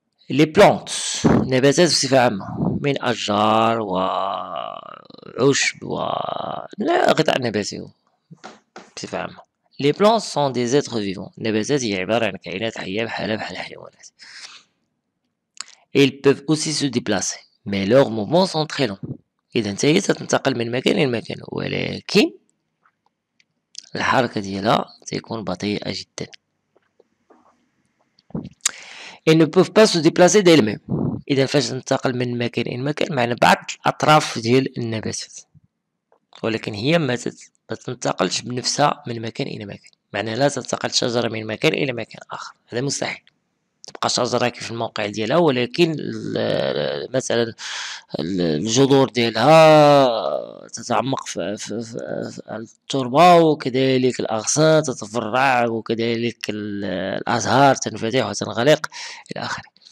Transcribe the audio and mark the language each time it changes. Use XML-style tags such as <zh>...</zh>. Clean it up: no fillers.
<ar>لي بلانتس نباتات بصفه عامه من اشجار وعشب وغذاء نباتي بصفه عامه.</ar> <fr>لي بلانتس سون دي زيتر فيفون،</fr> <ar>النباتات هي عباره عن كائنات حيه بحالها بحال الحيوانات.</ar> <fr>Ils peuvent aussi se déplacer, mais leurs mouvements sont très longs.</fr> <ar>إذن تاهي تتنتقل من مكان إلى مكان، ولكن الحركة ديالها تكون بطيئة جدا.</ar> <fr>Ils ne peuvent pas se déplacer d'elles-mêmes.</fr> <ar>إذن فاش تنتقل من مكان إلى مكان معنى بعض الأطراف ديال النباتات، ولكن هي ما تتنتقلش بنفسها من مكان إلى مكان، معنى لا تنتقل شجرة من مكان إلى مكان آخر، هذا مستحيل. تبقى شجرة كيف الموقع ديالها، ولكن مثلا الجذور ديالها تتعمق في التربة، وكذلك الأغصان تتفرع، وكذلك الأزهار تنفتح وتنغلق إلى آخره.</ar>